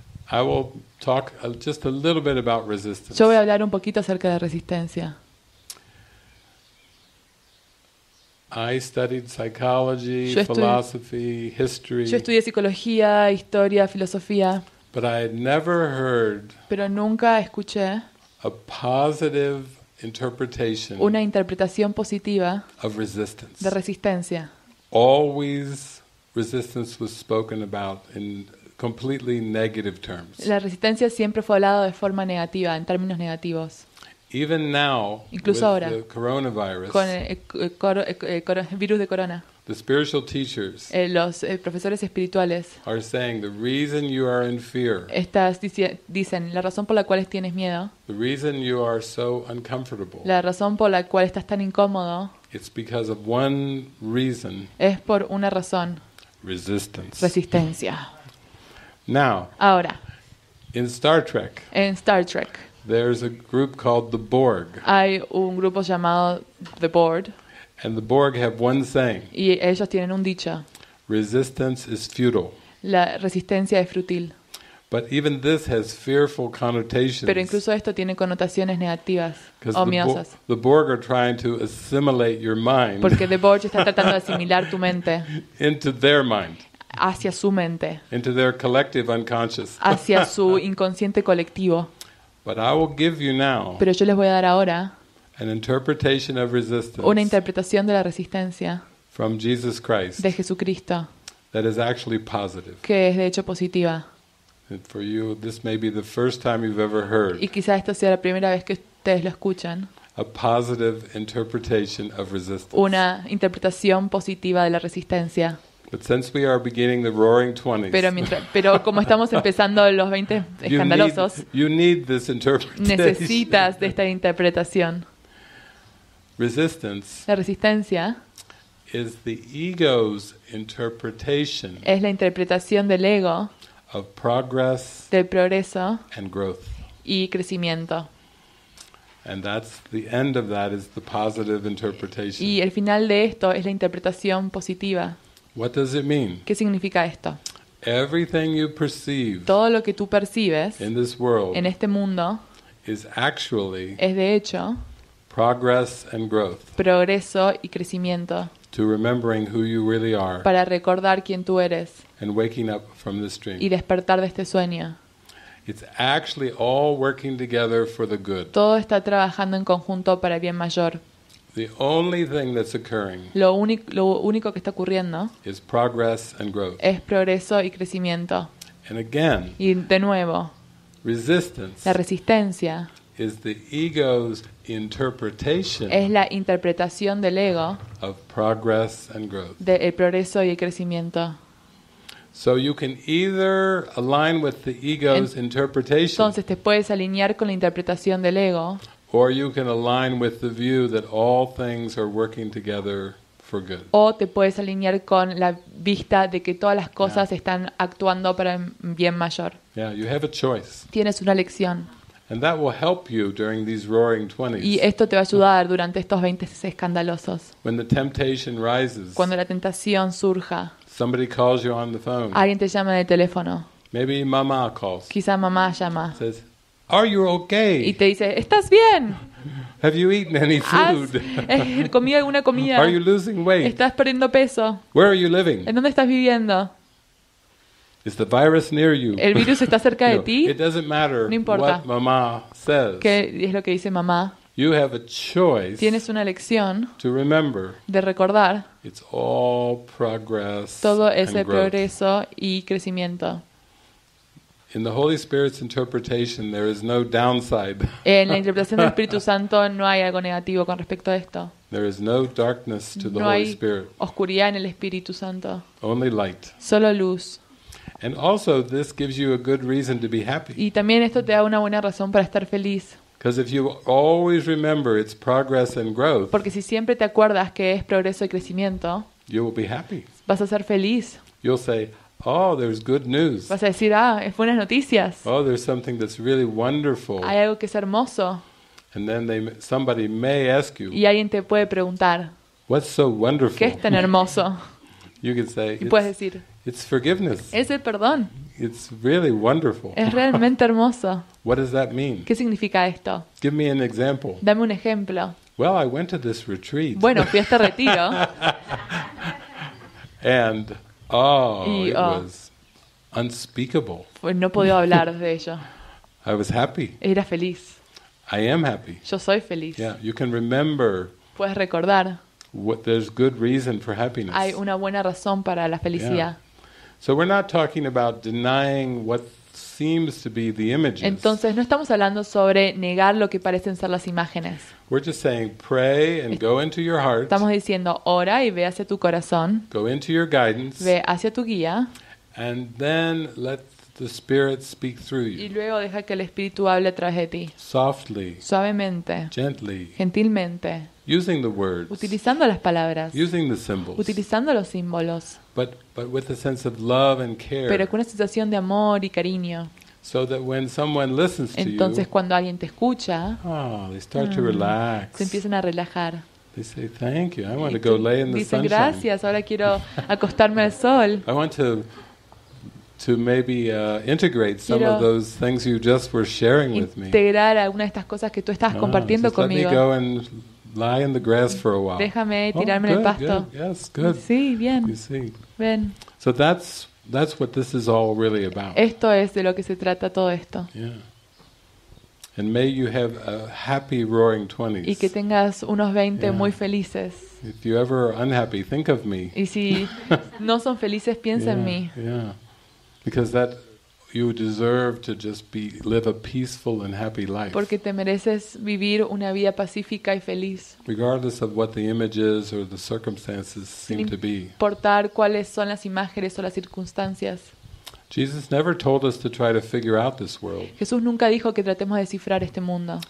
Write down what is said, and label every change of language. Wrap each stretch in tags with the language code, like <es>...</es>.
<en>I will talk just a little bit about resistance.</en> <es>Yo voy a hablar un poquito acerca de resistencia.</es> <en>I studied psychology, philosophy, history.</en> <es>Yo estudié psicología, historia, filosofía.</es> <en>But I had never heard.</en> <es>Pero nunca escuché.</es> <en>A positive interpretation.</en> <es>Una interpretación positiva.</es> <en>Of resistance.</en> <es>De resistencia.</es> <en>Always resistance was spoken about in completely negative terms.</en> <es>La resistencia siempre fue hablado de forma negativa, en términos negativos.</es> <en>Even now,</en> <es>incluso</es> <en>with</en> <es>ahora,</es> <en>the coronavirus,</en> <es>con el virus de corona,</es> <en>the spiritual teachers</en> <es>los profesores espirituales</es> <en>are saying the reason you are in fear,</en> <es>estás dicen la razón por la cual tienes miedo,</es> <en>the reason you are so uncomfortable,</en> <es>la razón por la cual estás tan incómodo,</es> <en>it's because of one reason,</en> <es>es por una razón,</es> <en>resistance,</en> <es>resistencia.</es> <en>Now,</en> <es>ahora,</es> <en>in Star Trek,</en> <es>en Star Trek.</es> <en>There's a group called the Borg.</en> <es>Hay un grupo llamado the Borg.</es> <en>And the Borg have one saying.</en> <es>Y ellos tienen un dicho.</es> <en>Resistance is futile.</en> <es>La resistencia es fútil.</es> <en>But even this has fearful connotations.</en> <es>Pero incluso esto tiene connotaciones negativas o miedosas.</es> <en>Because the Borg are trying to assimilate your mind.</en> <es>Porque the Borg está tratando de asimilar tu mente.</es> <en>Into their mind.</en> <es>hacia su mente.</es> <en>Into their collective unconscious.</en> <es>Hacia su inconsciente colectivo.</es> <en>But I will give you now.</en> <es>Pero yo les voy a dar ahora.</es> <en>An interpretation of resistance.</en> <es>Una interpretación de la resistencia.</es> <en>From Jesus Christ.</en> <es>De Jesucristo.</es> <en>That is actually positive.</en> <es>Que es de hecho positiva.</es> <en>And for you, this may be the first time you've ever heard.</en> <es>Y quizá esta sea la primera vez que ustedes lo escuchan.</es> <en>A positive interpretation of resistance.</en> <es>Una interpretación positiva de la resistencia.</es> <en>But since we are beginning the roaring 20s,</en> <es>pero como estamos empezando los 20 escandalosos,</es> <en>you need this interpretation.</en> <es>Necesitas de esta interpretación.</es> <en>Resistance.</en> <es>La resistencia.</es> <en>Is the ego's interpretation.</en> <es>Es la interpretación del ego.</es> <en>Of progress.</en> <es>Del progreso.</es> <en>And growth.</en> <es>Y crecimiento.</es> <en>And that's the end of that is the positive interpretation.</en> <es>Y el final de esto es la interpretación positiva.</es> <en>What does it mean?</en> <es>¿Qué significa esto?</es> <en>Everything you perceive.</en> <es>Todo lo que tú percibes.</es> <en>In this world.</en> <es>En este mundo.</es> <en>Is actually.</en> <es>Es de hecho.</es> <en>Progress and growth.</en> <es>Progreso y crecimiento.</es> <en>To remembering who you really are.</en> <es>Para recordar quién tú eres.</es> <en>And waking up from this dream.</en> <es>Y despertar de este sueño.</es> <en>It's actually all working together for the good.</en> <es>Todo está trabajando en conjunto para el bien mayor.</es> <en>The only thing that's occurring.</en> <es>Lo único que está ocurriendo.</es> <en>Is progress and growth.</en> <es>Es progreso y crecimiento.</es> <en>And again.</en> <es>Y de nuevo.</es> <en>Resistance.</en> <es>La resistencia.</es> <en>Is the ego's interpretation.</en> <es>Es la interpretación del ego.</es> <en>Of progress and growth.</en> <es>Del progreso y el crecimiento.</es> <en>So you can either align with the ego's interpretation.</en> <es>Entonces te puedes alinear con la interpretación del ego.</es> <en>Or you can align with the view that all things are working together for good.</en> <es>O te puedes alinear con la vista de que todas las cosas están actuando para bien mayor.</es> <en>Yeah, you have a choice.</en> <es>Tienes una elección.</es> <en>And that will help you during these roaring 20s.</en> <es>Y esto te va a ayudar durante estos 20 escandalosos.</es> <en>When the temptation rises.</en> <es>Cuando la tentación surja.</es> <en>Somebody calls you on the phone.</en> <es>Alguien te llama en el teléfono.</es> <en>Maybe mama calls.</en> <es>Quizá mamá llama.</es> <en>Says, "Are you okay?"</en> <es>Y te dice, "¿Estás bien?"</es> <en>Have you eaten any food?</en> <es>¿Has comido alguna comida?</es> <en>Are you losing weight?</en> <es>¿Estás perdiendo peso?</es> <en>Where are you living?</en> <es>¿En dónde estás viviendo?</es> <en>Is the virus near you?</en> <es>¿El virus está cerca de ti?</es> <en>It doesn't matter.</en> <es>No importa.</es> <en>What mama says.</en> <es>¿Qué es lo que dice mamá?</es> <en>You have a choice.</en> <es>Tienes una elección.</es> <en>To remember.</en> <es>De recordar.</es> <en>It's all progress.</en> <es>Todo es el progreso y crecimiento.</es> <en>In the Holy Spirit's interpretation, there is no downside.</en> <es>En la interpretación del Espíritu Santo no hay algo negativo con respecto a esto.</es> <en>There is no darkness to the Holy Spirit.</en> <es>No hay oscuridad en el Espíritu Santo.</es> <en>Only light.</en> <es>Solo luz.</es> <en>And also, this gives you a good reason to be happy.</en> <es>Y también esto te da una buena razón para estar feliz.</es> <en>Because if you always remember it's progress and growth.</en> <es>Porque si siempre te acuerdas que es progreso y crecimiento.</es> <en>You will be happy.</en> <es>Vas a ser feliz.</es> <en>You'll say, "Oh, there's good news."</en> <es>Vas a decir, "Ah, es buenas noticias."</es> <en>Oh, there's something that's really wonderful.</en> <es>Hay algo que es hermoso.</es> <en>And then somebody may ask you.</en> <es>Y alguien te puede preguntar.</es> <en>What's so wonderful?</en> <es>¿Qué es tan hermoso?</es> <en>You can say,</en> <es>y puedes decir,</es> <en>"It's forgiveness."</en> <es>Es el perdón.</es> <en>It's really wonderful.</en> <es>Es realmente hermoso.</es> <en>What does that mean?</en> <es>¿Qué significa esto?</es> <en>Give me an example.</en> <es>Dame un ejemplo.</es> <en>Well, I went to this retreat.</en> <es>Bueno, fui a este retiro.</es> <en>And it was unspeakable.</en> <es>No podía hablar de ello.</es> <en>I was happy.</en> <es>Era feliz.</es> <en>I am happy.</en> <es>Yo soy feliz.</es> <en>Yeah, you can remember.</en> <es>Puedes recordar.</es> <en>What there's good reason for happiness.</en> <es>Hay una buena razón para la felicidad. Yeah.</es> <en>So we're not talking about denying what seems to be the images.</en> <es>Entonces no estamos hablando sobre negar lo que parecen ser las imágenes.</es> <en>We're just saying pray and go into your heart.</en> <es>Estamos diciendo ora y ve hacia tu corazón.</es> <en>Go into your guidance.</en> <es>Ve hacia tu guía.</es> <en>And then let the spirit speak through you.</en> <es>Y luego deja que el espíritu hable a través de ti.</es> <en>Softly.</en> <es>Suavemente.</es> <en>Gently.</en> <es>Gentilmente.</es> <en>Using the words.</en> <es>Utilizando las palabras.</es> <en>Using the symbols.</en> <es>Utilizando los símbolos.</es> <en>But with a sense of love and care.</en> <es>Pero con una sensación de amor y cariño.</es> <en>So that when someone listens to you.</en> <es>Entonces cuando alguien te escucha.</es> <en>Oh, they start to relax.</en> <es>Se empiezan a relajar.</es> <en>They say thank you. I want to go lay in the sunshine.</en> <es>Dicen gracias. Ahora quiero acostarme al sol.</es> <en>I want to maybe integrate some of those things you just were sharing with me.</en> <es>Integrar alguna de estas cosas que tú estabas compartiendo conmigo.</es> <en>Let me go and lie in the grass for a while.</en> <es>Déjame tirarme en el pasto.</es> <en>Good. Yes, good.</en> <es>Sí, bien.</es> <en>You see.</en> <es>Ven.</es> <en>So that's what this is all really about.</en> <es>Esto es de lo que se trata todo esto. Yeah.</es> <en>And may you have a happy roaring 20s.</en> <es>Y que tengas unos 20 yeah. muy felices.</es> <en>If you ever are unhappy, think of me.</en> <es>Y si no son felices, piensa yeah, en mí. Yeah.</es> <en>Because that you deserve to just be live a peaceful and happy life.</en> <es>Porque te mereces vivir una vida pacífica y feliz.</es> <en>Regardless of what the images or the circumstances seem to be.</en> <es>Sin importar cuáles son las imágenes o las circunstancias.</es> <en>Jesus never told us to try to figure out this world.</en> <es>Jesús nunca dijo que tratemos de descifrar este mundo.</es>